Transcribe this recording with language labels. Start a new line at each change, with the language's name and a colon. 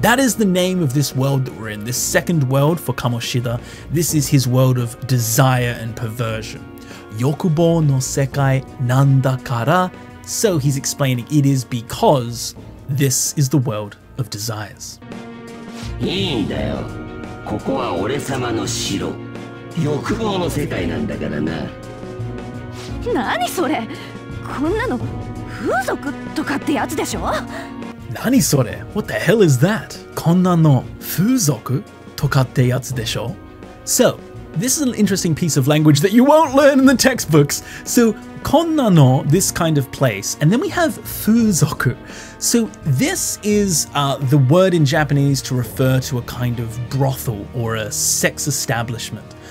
English: That is the name of this world that we're in, this second world for Kamoshida. This is his world of desire and perversion.
Japanese: Yokubou no sekai nan da kara.
English: So he's explaining it is because this is the world of desires.
Japanese: いいんだよ。ここは俺様の城。欲望の世界なんだからな。何それ? こんなの風俗とかってやつでしょ? 何それ?
English: What the hell is that?
Japanese: こんなの風俗とかってやつでしょ?
English: So, this is an interesting piece of language that you won't learn in the textbooks. So,
Japanese: こんなの,
English: this kind of place, and then we have 風俗. So this is the word in Japanese to refer to a kind of brothel or a sex establishment.